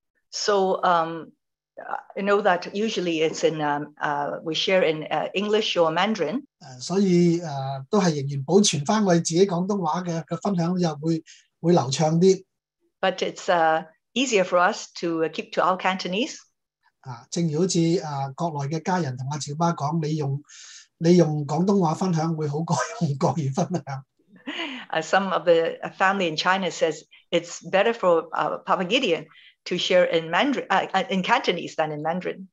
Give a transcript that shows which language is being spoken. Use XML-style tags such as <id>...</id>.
<en>So, I know that usually it's in we share in English or Mandarin.</en> <yue>所以都係仍然保存翻我自己廣東話嘅分享，又會流暢啲。</yue> <en>But it's easier for us to keep to our Cantonese.</en> <yue>正如好似國內嘅家人同阿趙媽講，你用廣東話分享會好過用國語分享。</yue> <en>Some of the family in China says it's better for Papa Gideon to share in Mandarin, in Cantonese than in Mandarin.</en>